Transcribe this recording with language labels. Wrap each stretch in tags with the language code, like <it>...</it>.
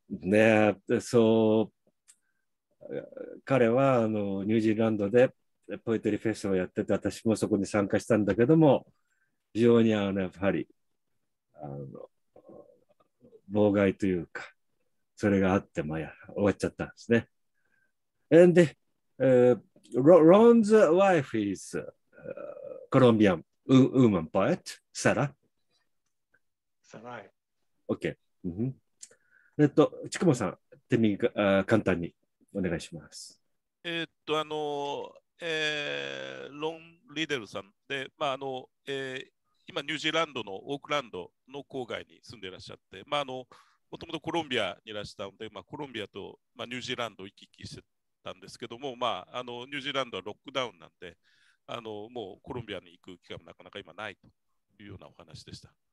<en>Yeah, so</en> <ja>彼はあのニュージーランドでポエトリーフェスをやってて、私もそこに参加したんだけども、非常にあのやはりあの妨害というか、それがあってまあ終わっちゃったんですね。</ja> <en>And Ron's wife is a Colombian woman poet, Sarah.</en> <ja>OK、ちくもさん、てみ、簡単にお願いします。あの、ロン・リデルさんで、まああの今ニュージーランドのオークランドの郊外に住んでいらっしゃって、まああの元々コロンビアにいらしたので、まあコロンビアと、まあ、ニュージーランド行き来してたんですけども、まああのニュージーランドはロックダウンなんで、あのもうコロンビアに行く機会もなかなか今ないというようなお話でした。</ja>